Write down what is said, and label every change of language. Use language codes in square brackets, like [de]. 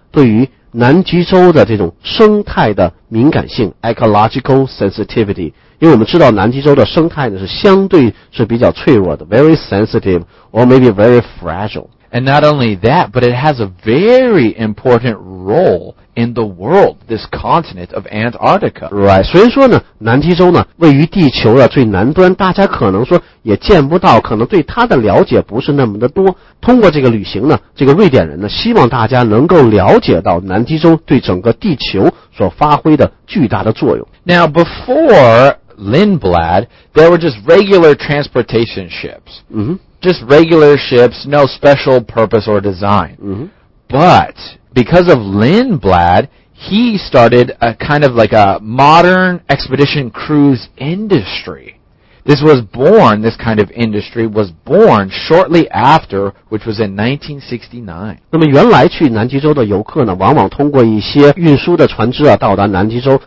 [zh] 对于南极洲的这种生态的敏感性 ， [en] ecological sensitivity。 [zh] 因为我们知道南极洲的生态呢是相对是比较脆弱的 ， [en] very sensitive or maybe very fragile. And not only that, but it has a very important role in the world, this continent of Antarctica. Right. [zh] 所以说呢，南极洲呢位于地球的最南端，大家可能说也见不到，可能对它的了解不是那么的多。通过这个旅行呢，这个瑞典人呢希望大家能够了解到南极洲对整个地球所发挥的巨大的作用。 [en] Now before Lindblad, there were just regular transportation ships. Just regular ships, no special purpose or design. But because of Lindblad, he started a kind of like a modern expedition cruise industry. This kind of industry was born shortly after, which was in 1969. [zh] 那么原来去南极洲的游客呢，往往通过一些运输的船只啊到达南极洲。